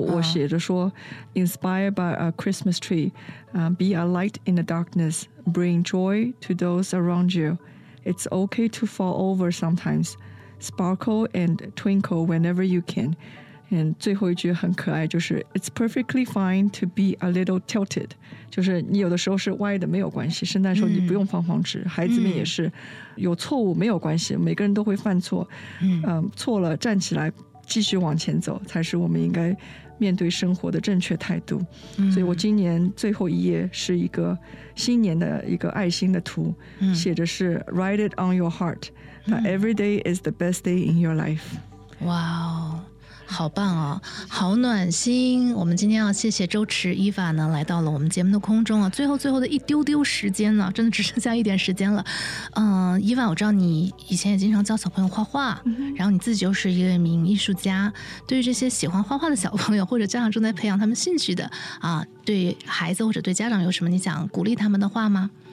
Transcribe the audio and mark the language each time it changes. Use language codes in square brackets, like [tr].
[zh] 我写着说 [en] Inspired by a Christmas tree Be a light in the darkness Bring joy to those around you It's okay to fall over sometimes Sparkle and twinkle whenever you can And [zh] 最后一句很可爱，就是 [en] It's perfectly fine to be a little tilted [zh] 就是你有的时候是歪的没有关系，圣诞树你不用慌慌直，孩子们也是有错误没有关系，每个人都会犯错。错了站起来继续往前走，才是我们应该面对生活的正确态度。所以我今年最后一页是一个新年的一个爱心的图，写着是 [en] Write it on your heart that every day is the best day in your life。 [zh] 哇哦，好棒哦，好暖心。我们今天要谢谢周驰伊娃呢，来到了我们节目的空中啊。最后的一丢丢时间呢，真的只剩下一点时间了。伊娃，我知道你以前也经常教小朋友画画，然后你自己又是一名艺术家。对于这些喜欢画画的小朋友，或者家长正在培养他们兴趣的啊，对孩子或者对家长有什么你想鼓励他们的话吗？